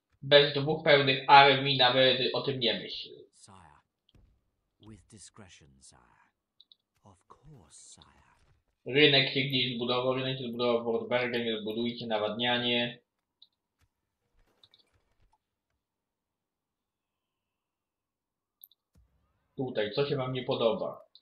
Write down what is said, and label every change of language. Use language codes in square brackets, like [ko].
[pl] Bez dwóch pełnych armii nawet o tym nie myśl. [en] Sire, with discretion, sire. Of course, sire. [pl] Rynek się gdzieś zbudował, Fort Bergen, zbudujcie nawadnianie. Tutaj, co się wam nie podoba?